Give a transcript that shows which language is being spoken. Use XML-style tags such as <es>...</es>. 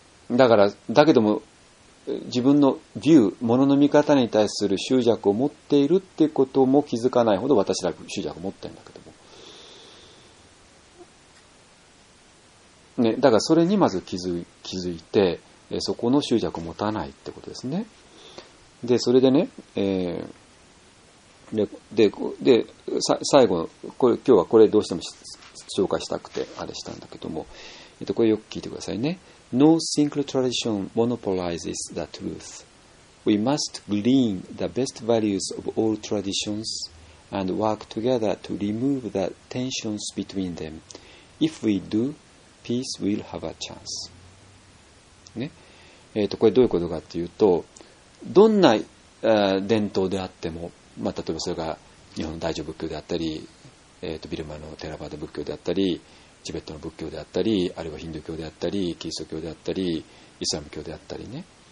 <ja>だけども、自分のビュー、ものの見方に対する執着を持っているってことも気づかないほど私ら執着を持ってるんだけども、ね、だからそれにまず気づいて、そこの執着を持たないってことですね。でそれでね、で最後これ今日はこれどうしても紹介したくてあれしたんだけども、これよく聞いてくださいね。</ja> <en>No single tradition monopolizes the truth. We must glean the best values of all traditions and work together to remove the tensions between them. If we do, peace will have a chance. ね。</en> <ja>これどういうことかっていうと、どんな伝統であっても、まあ、例えばそれが日本の大乗仏教であったり、ビルマのテラバダ仏教であったり、チベットの仏教であったり、あるいはヒンドゥー教であったり、キリスト教であったり、イスラム教であったりね、</ja>